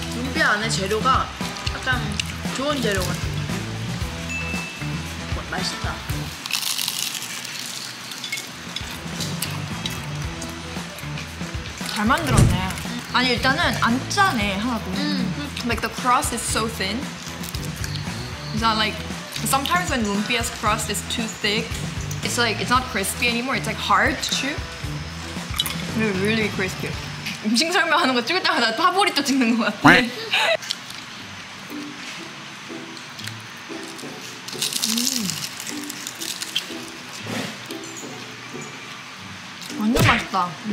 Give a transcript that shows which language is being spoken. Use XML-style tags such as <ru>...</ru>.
<ko>눈비 안에 재료가 약간 좋은 재료 같아. 와, 맛있다. 잘 만들었네. 아니 일단은 안 짜네 하나도.</ko> <en>Like the crust is so thin. It's not like sometimes when lumpia's crust is too thick, it's like it's not crispy anymore. It's like hard to chew. It's really crispy.</en> <ko>음식 설명하는 거 찍을 때마다 파보리또 찍는 거 같아. 완전 맛있다.</ko>